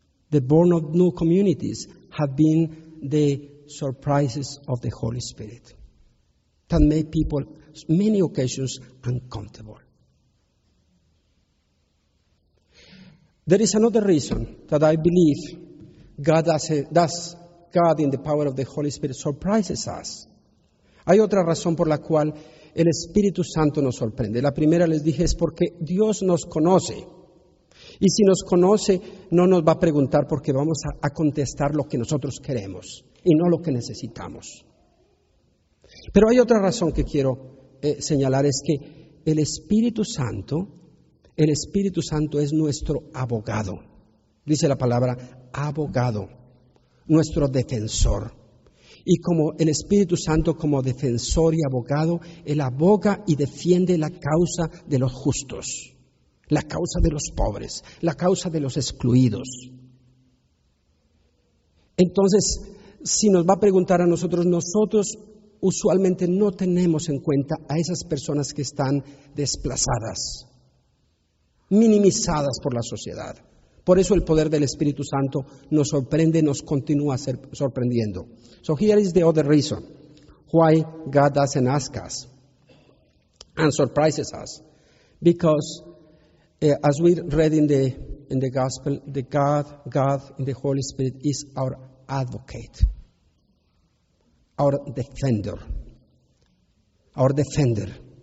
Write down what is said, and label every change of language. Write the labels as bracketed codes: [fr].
[en] The born of new communities have been the surprises of the Holy Spirit that made people, many occasions, uncomfortable. There is another reason that I believe God does, God in the power of the Holy Spirit surprises us. [es] Hay otra razón por la cual el Espíritu Santo nos sorprende. La primera, les dije, es porque Dios nos conoce. Y si nos conoce, no nos va a preguntar porque vamos a contestar lo que nosotros queremos y no lo que necesitamos. Pero hay otra razón que quiero señalar, es que el Espíritu Santo es nuestro abogado. Dice la palabra abogado, nuestro defensor. Y como el Espíritu Santo, como defensor y abogado, él aboga y defiende la causa de los justos, la causa de los pobres, la causa de los excluidos. Entonces, si nos va a preguntar a nosotros, nosotros usualmente no tenemos en cuenta a esas personas que están desplazadas, minimizadas por la sociedad. Por eso el poder del Espíritu Santo nos sorprende, nos continúa sorprendiendo. [en] So here is the other reason why God doesn't ask us and surprises us. Because as we read in the Gospel, the God in the Holy Spirit is our advocate, our defender.